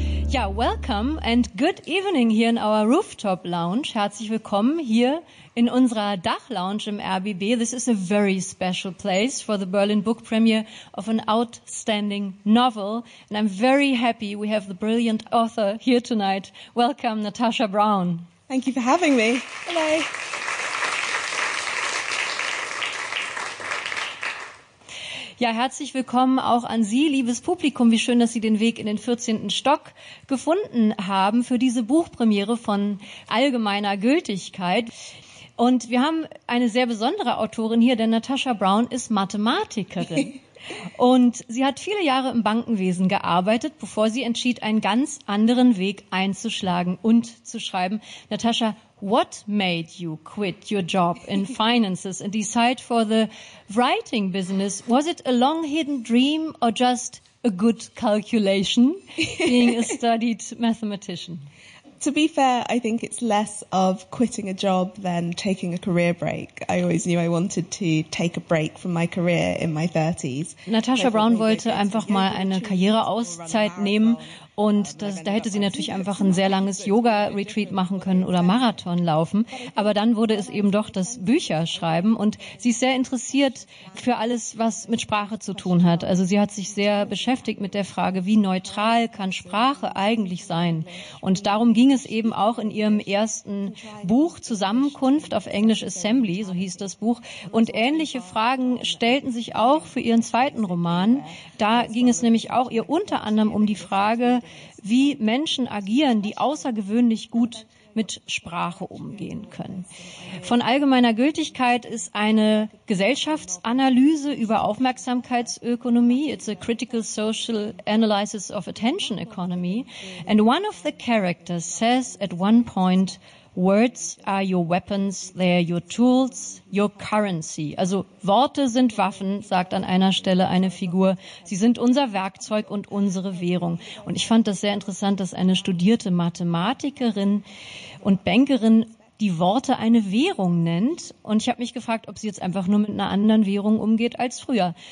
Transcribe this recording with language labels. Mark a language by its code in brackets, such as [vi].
[en] Ja, welcome and good evening here in our rooftop lounge. [de] Herzlich willkommen hier in unserer Dachlounge im RBB. [en] This is a very special place for the Berlin Book Premiere of an outstanding novel. And I'm very happy we have the brilliant author here tonight. Welcome, Natasha Brown. Thank you for having me. Hello. [de] Ja, herzlich willkommen auch an Sie, liebes Publikum. Wie schön, dass Sie den Weg in den 14. Stock gefunden haben für diese Buchpremiere von allgemeiner Gültigkeit. Und wir haben eine sehr besondere Autorin hier, denn Natasha Brown ist Mathematikerin. Und sie hat viele Jahre im Bankenwesen gearbeitet, bevor sie entschied, einen ganz anderen Weg einzuschlagen und zu schreiben. [en] Natasha, what made you quit your job in finances and decide for the writing business? Was it a long hidden dream or just a good calculation being a studied mathematician? To be fair, I think it's less of quitting a job than taking a career break. I always knew I wanted to take a break from my career in my 30s. [de] Natasha Brown wollte einfach mal eine Karriereauszeit nehmen. Und das, da hätte sie natürlich einfach ein sehr langes Yoga-Retreat machen können oder Marathon laufen. Aber dann wurde es eben doch das Bücherschreiben. Und sie ist sehr interessiert für alles, was mit Sprache zu tun hat. Also sie hat sich sehr beschäftigt mit der Frage, wie neutral kann Sprache eigentlich sein? Und darum ging es eben auch in ihrem ersten Buch Zusammenkunft, auf Englisch Assembly, so hieß das Buch. Und ähnliche Fragen stellten sich auch für ihren zweiten Roman. Da ging es nämlich auch ihr unter anderem um die Frage, wie Menschen agieren, die außergewöhnlich gut mit Sprache umgehen können. Von allgemeiner Gültigkeit ist eine Gesellschaftsanalyse über Aufmerksamkeitsökonomie. [en] It's a critical social analysis of attention economy. And one of the characters says at one point, words are your weapons, they are your tools, your currency. [de] Also Worte sind Waffen, sagt an einer Stelle eine Figur. Sie sind unser Werkzeug und unsere Währung. Und ich fand das sehr interessant, dass eine studierte Mathematikerin und Bankerin die Worte eine Währung nennt. Und ich habe mich gefragt, ob sie jetzt einfach nur mit einer anderen Währung umgeht als früher.